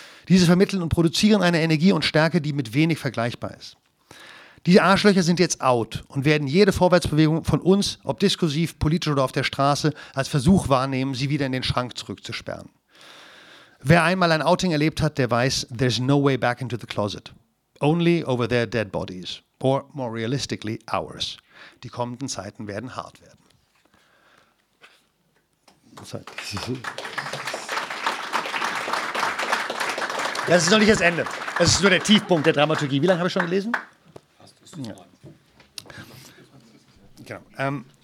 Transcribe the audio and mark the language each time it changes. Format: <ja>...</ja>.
<de>Diese vermitteln und produzieren eine Energie und Stärke, die mit wenig vergleichbar ist. Diese Arschlöcher sind jetzt out und werden jede Vorwärtsbewegung von uns, ob diskursiv, politisch oder auf der Straße, als Versuch wahrnehmen, sie wieder in den Schrank zurückzusperren. Wer einmal ein Outing erlebt hat, der weiß,</de> <en>there's no way back into the closet. Only over their dead bodies. Or more realistically, ours.</en> <de>Die kommenden Zeiten werden hart werden. Das ist noch nicht das Ende. Das ist nur der Tiefpunkt der Dramaturgie. Wie lange habe ich schon gelesen? Ja. Genau.</de>